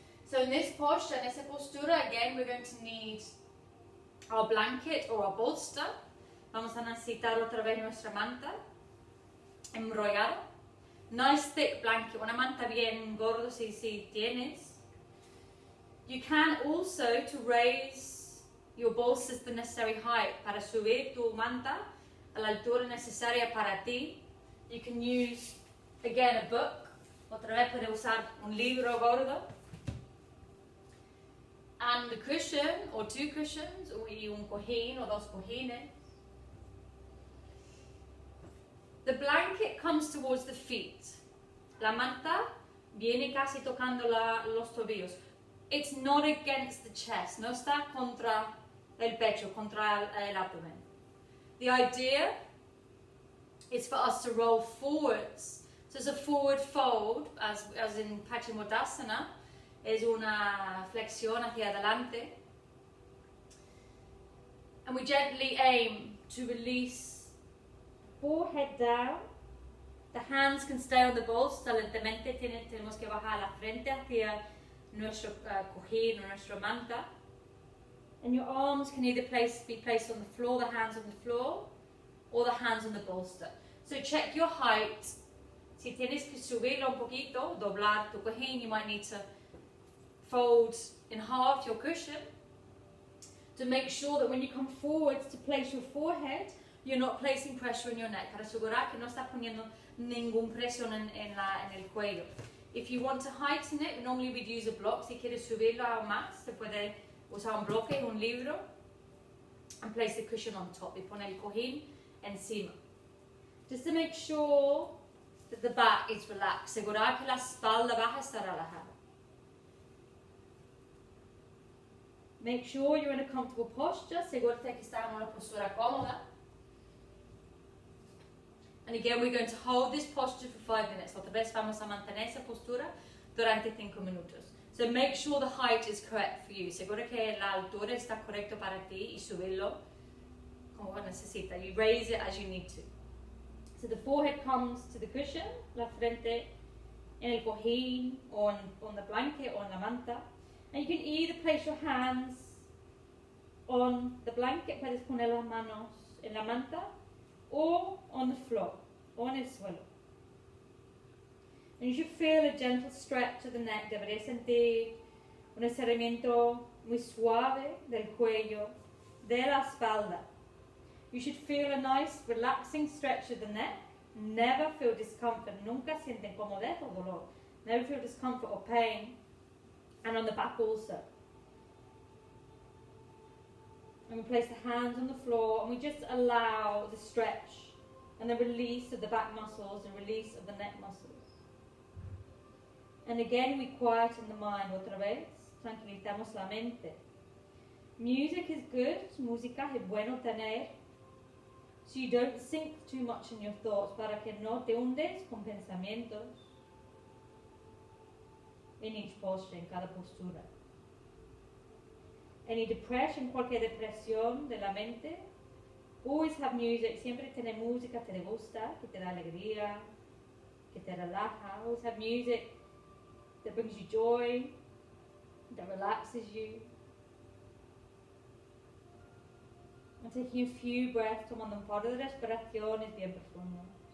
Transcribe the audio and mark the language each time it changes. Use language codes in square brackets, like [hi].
[en] So in this posture, in [es] esa postura, [en] again, we're going to need our blanket or our bolster. [es] Vamos a necesitar otra vez nuestra manta enrollada. [en] Nice thick blanket, [es] una manta bien gorda si tienes. [en] You can also, to raise your bolster to the necessary height, [es] para subir tu manta a la altura necesaria para ti, [en] you can use, again, a book. [es] Otra vez puede usar un libro gordo. [en] And the cushion, or two cushions, [es] y un cojín, o dos cojines. [en] The blanket comes towards the feet. [es] La manta viene casi tocando los tobillos. [en] It's not against the chest. [es] No está contra el pecho, contra el abdomen. [en] The idea is for us to roll forwards. So it's a forward fold, as in Paschimottanasana. [es] Es una flexión hacia adelante. [en] And we gently aim to release forehead down. The hands can stay on the bolster. [es] Lentamente tenemos que bajar la frente hacia nuestro cojín o nuestra manta. [en] And your arms can either be placed on the floor, the hands on the floor, or the hands on the bolster. So check your height. [es] Si tienes que subirlo un poquito, doblar tu cojín, [en] you might need to fold in half your cushion to make sure that when you come forward to place your forehead, you're not placing pressure on your neck. [es] Para asegurar que no estás poniendo ningún presión en el cuello. [en] If you want to heighten it, normally we'd use a block. [es] Si quieres subirlo a más, se puede usar un bloque, un libro, [en] and place the cushion on top. [es] Y poner el cojín encima. [en] Just to make sure that the back is relaxed. [es] Asegurar que la espalda baja está relajada. [en] Make sure you're in a comfortable posture. [es] Asegúrate que estás en una postura cómoda. [en] And again, we're going to hold this posture for 5 minutes. [es] Otra vez vamos a mantener esa postura durante 5 minutos. [en] So make sure the height is correct for you. [es] Asegúrate que la altura está correcta para ti y subirlo como necesita. [en] You raise it as you need to. So the forehead comes to the cushion, [es] la frente en el cojín, [en] on the blanket, on la manta. And you can either place your hands on the blanket, [es] puedes poner las manos en la manta, [en] or on the floor, [es] o en el suelo. [en] And you should feel a gentle stretch of the neck. [es] Deberías sentir un estiramiento muy suave del cuello, de la espalda. [en] You should feel a nice, relaxing stretch of the neck. Never feel discomfort. [es] Nunca siente incomodidad o dolor. [en] Never feel discomfort or pain. And on the back also. And we place the hands on the floor and we just allow the stretch and the release of the back muscles and release of the neck muscles. And again, we quieten the mind. [es] Otra vez, tranquilizamos la mente. [en] Music is good. [es] Música es bueno tener. [en] So you don't sink too much in your thoughts. [es] Para que no te hundes con pensamientos. [en] In each posture, in [es] cada postura. [en] Any depression, [es] cualquier depresión de la mente, [en] always have music. [es] Siempre tener música que te gusta, que te da alegría, que te relaja. [en] Always have music that brings you joy, that relaxes you. And taking a few breaths, [es] tomando un par de respiraciones bien profundas.